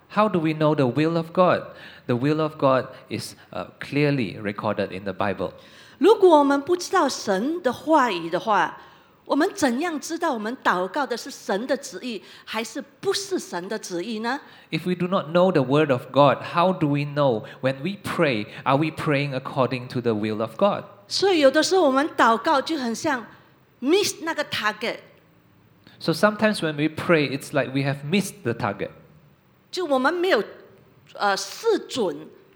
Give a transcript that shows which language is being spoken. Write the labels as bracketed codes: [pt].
[en] How do we know the will of God? The will of God is clearly recorded in the Bible. [zh] 如果我们不知道神的话语的话， 我们怎样知道我们祷告的是神的旨意，还是不是神的旨意呢？ [en] If we do not know the word of God, how do we know when we pray, are we praying according to the will of God? [zh] 所以有的时候我们祷告就很像 miss 那个 target. [en] So sometimes when we pray, it's like we have missed the target. [zh] 就我们没有 试准。